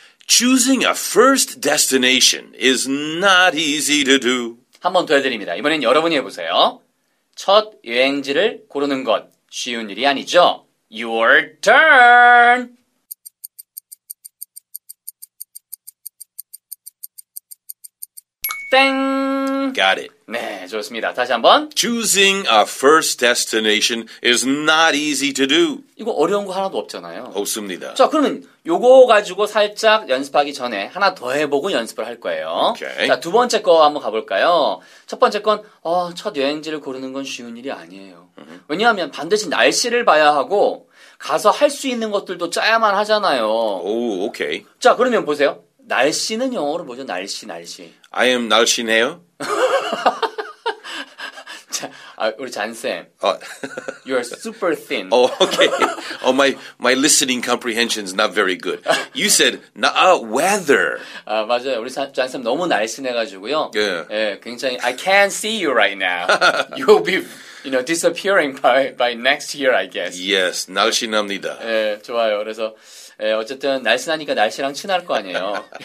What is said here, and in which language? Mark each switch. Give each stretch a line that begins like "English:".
English: Choosing a first destination is not easy to do.
Korean: 한번 더 해드립니다. 이번엔 여러분이 해보세요. 첫 여행지를 고르는 것 쉬운 일이 아니죠.
English: Your turn! Bang! Got it.
Korean: 네, 좋습니다. 다시 한번.
English: Choosing a first destination is not easy to do.
Korean: 이거 어려운 거 하나도 없잖아요. 없습니다. 자, 그러면 요거 가지고 살짝 연습하기 전에 하나 더 해보고 연습을 할 거예요.
English: Okay.
Korean: 자, 두 번째 거 한번 가볼까요? 첫 번째 건 첫 여행지를 고르는 건 쉬운 일이 아니에요. 왜냐하면 반드시 날씨를 봐야 하고 가서 할 수 있는 것들도 짜야만 하잖아요. 오, 오케이. 자, 그러면 보세요. 날씨는 영어로 뭐죠? 날씨, 날씨.
English: I am
Korean: 날씨네요. 자, 우리 잔쌤.
English: You are super thin. Oh, okay. Oh, my listening comprehension is not very good. You said weather.
Korean: 아, 맞아요. 우리 잔쌤 너무 날씬해가지고요.
English: Yeah.
Korean: 예, 굉장히
English: I can't see you right now. You'll be, you know, disappearing by next year, I guess.
Korean: Yes, 날씬합니다. 예, 좋아요. 그래서 예, 어쨌든 날씬하니까 날씨랑 친할 거 아니에요.